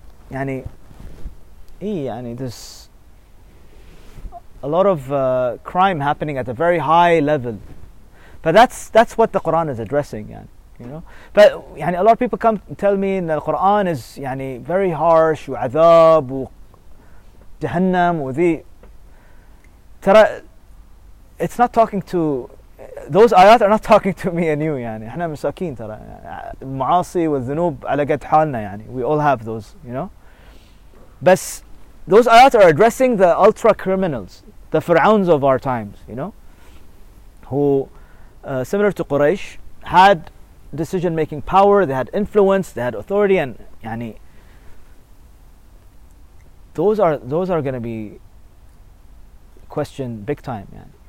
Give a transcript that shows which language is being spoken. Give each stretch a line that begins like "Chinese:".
English: And yani, there's a lot of crime happening at a very high level, but that's what the Quran is addressing. Yani, you know, but yani, a lot of people come tell me that the Quran is yani very harsh,
Arabic: وعذاب وجهنم وذي.
English: ترى, it's not talking to those ayat are not talking to me and you.
Arabic: Yani, إحنا مساكين ترى المعاصي والذنوب على قد حالنا.
English: يعني, we all have those. You know, بس those ayat are addressing the ultra criminals, the Fir'auns of our times, you know, who, similar to Quraysh, had decision-making power, they had influence, they had authority, and yani, those are going to be questioned big time. Yani.